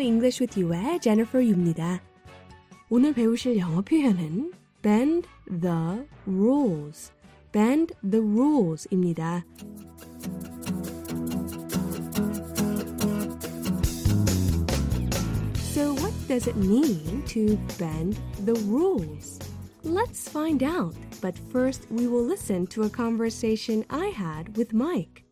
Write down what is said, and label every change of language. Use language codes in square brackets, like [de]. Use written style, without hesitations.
[ko] English with you의 Jennifer Yu입니다. 오늘 배우실 영어 표현은 bend the rules. bend the rules입니다. [en] What does it mean to bend the rules? Let's find out. But first, we will listen to a conversation I had with Mike.